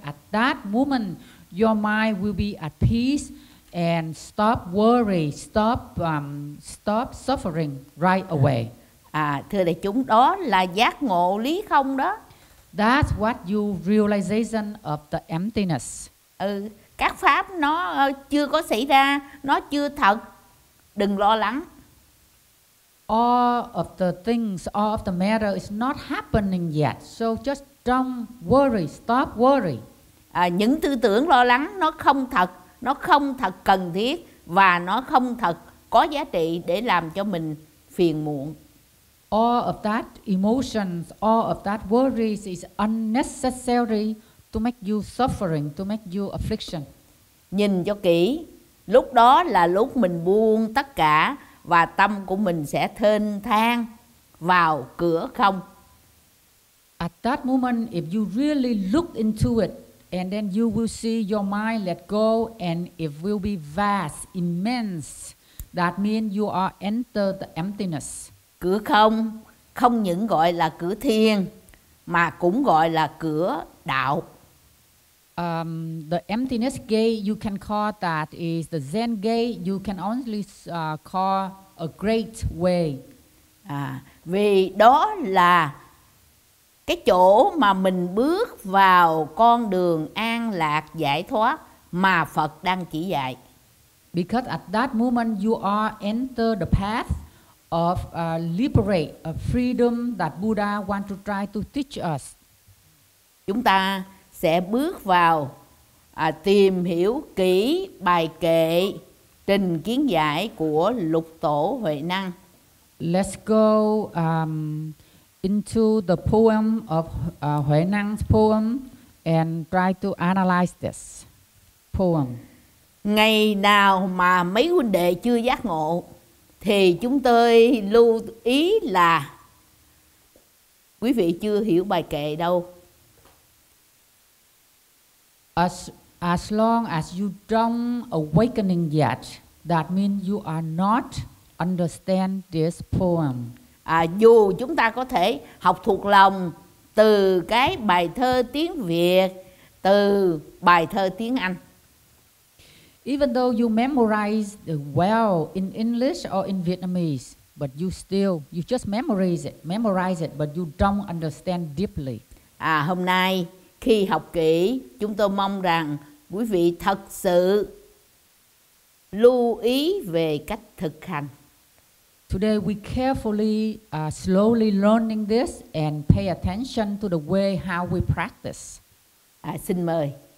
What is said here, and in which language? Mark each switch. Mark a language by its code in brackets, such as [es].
[en] At that moment, your mind will be at peace and stop worry, stop suffering right away. [vi] Thưa đại chúng, đó là giác ngộ lý không đó. [en] That's what you realization of the emptiness. [vi] Các pháp nó chưa có xảy ra, nó chưa thật, đừng lo lắng. [en] All of the things, all of the matter is not happening yet, so just don't worry, stop worry. [vi] Những tư tưởng lo lắng nó không thật cần thiết và nó không thật có giá trị để làm cho mình phiền muộn. [en] All of that emotions, all of that worries is unnecessary to make you suffering, to make you affliction. [vi] Nhìn cho kỹ, lúc đó là lúc mình buông tất cả và tâm của mình sẽ thênh thang vào cửa không. [en] At that moment, if you really look into it, and then you will see your mind let go, and it will be vast, immense, That means you are entered the emptiness. [vi] Cửa không, không những gọi là cửa thiên, mà cũng gọi là cửa đạo. [en] The emptiness gate you can call that is the Zen gate. You can only call a great way. [vi] À, vì đó là cái chỗ mà mình bước vào con đường an lạc giải thoát mà Phật đang chỉ dạy. [en] Because at that moment you are enter the path of liberate of freedom that Buddha want to try to teach us. [vi] Chúng ta sẽ bước vào tìm hiểu kỹ bài kệ trình kiến giải của Lục Tổ Huệ Năng. [en] Let's go into the poem of Huệ Năng's poem and try to analyze this poem. [vi] Ngày nào mà mấy huynh đệ chưa giác ngộ thì chúng tôi lưu ý là quý vị chưa hiểu bài kệ đâu. [en] As long as you don't awakening yet, that means you are not understand this poem. [vi] À, dù chúng ta có thể học thuộc lòng từ cái bài thơ tiếng Việt, từ bài thơ tiếng Anh. [en] Even though you memorize well in English or in Vietnamese, but you just memorize it, but you don't understand deeply. [vi] À, hôm nay khi học kỹ, chúng tôi mong rằng quý vị thật sự lưu ý về cách thực hành. [en] Today we carefully, slowly learning this and pay attention to the way how we practice. [vi] À, xin mời.